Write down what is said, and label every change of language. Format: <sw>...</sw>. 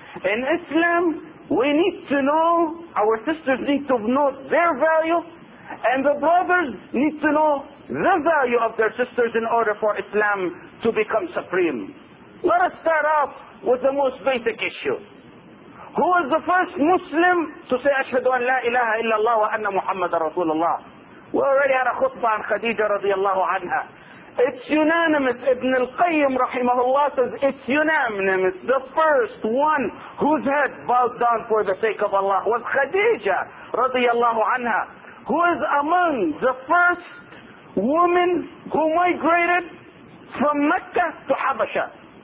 <en>In Islam, we need to know, our sisters need to know their value, and the brothers need to know the value of their sisters in order for Islam to become supreme. Let us start off with the most basic issue. Who was the first Muslim to say,</en> <ar>أَشْهَدُ أَنْ لَا إِلَهَ إِلَّا اللَّهُ وَأَنَّ مُحَمَّدَ رَسُولَ اللَّهُ.</ar> <en>We already had a khutbah on Khadija radiallahu anha. It's unanimous. Ibn al-Qayyim rahimahullah says, it's unanimous. The first one whose head bowed down for the sake of Allah was Khadija radiallahu anha, who is among the first women who migrated from Mecca to Habasha.</en>